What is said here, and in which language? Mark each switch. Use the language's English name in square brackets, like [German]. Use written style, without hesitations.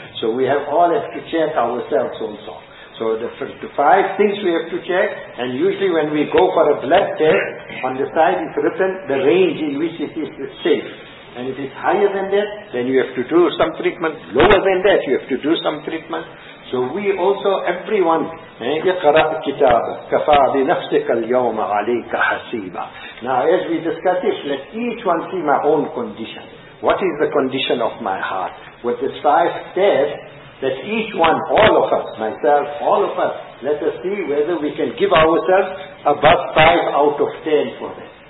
[English] So we have all have to check ourselves also. So the five things we have to check, and usually when we go for a blood test, on the side it's written the range in which it is safe. And if it's higher than that, then you have to do some treatment. Lower than that, you have to do some treatment. So we also, everyone, [Arabic] يَقْرَأْ كِتَابَ كَفَى بِنَفْسِكَ الْيَوْمَ عَلَيْكَ حَسِيبًا. [English] Now as we discuss this, let each one see my own condition. What is the condition of my heart? With this five steps, let each one, all of us, myself, all of us, let us see whether we can give ourselves above 5 out of 10 for that.